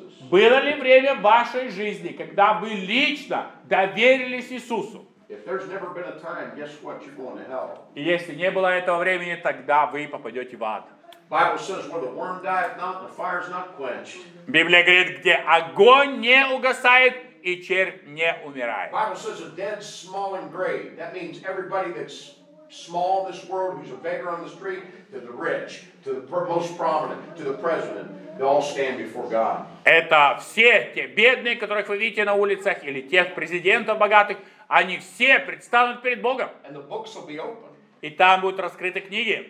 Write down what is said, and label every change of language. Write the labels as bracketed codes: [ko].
[ru] Было ли время в вашей жизни, когда вы лично доверились Иисусу? И если не было этого времени, тогда вы попадете в ад. Библия говорит, где огонь не угасает и червь не умирает. [en] Bible says a dead small and grave. That means everybody that's small in this world, who's a beggar on the street, to the rich, to the most prominent, to the president, they all stand before God. [ru] Это все те бедные, которых вы видите на улицах, или тех президентов богатых, они все предстанут перед Богом. [en] And the books will be open. [ru] И там будут раскрыты книги.